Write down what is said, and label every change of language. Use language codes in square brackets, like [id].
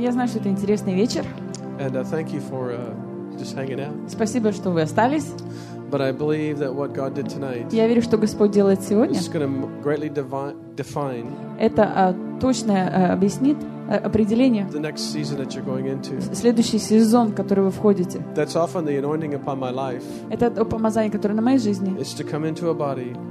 [ru] Я знаю, что это интересный вечер. [en] And thank you for just hanging out. [ru] Спасибо, что вы остались. [en] But I believe that what God did tonight. [ru] Я верю, что Господь делает сегодня. [en] Is going to greatly define. [ru] Это точное объяснит определение. [en] The next season that you're going into. [ru] Следующий сезон, в который вы входите. [en] That's often the anointing upon my life. [ru] Это помазание, которое на моей жизни. [en] Is to come into a body.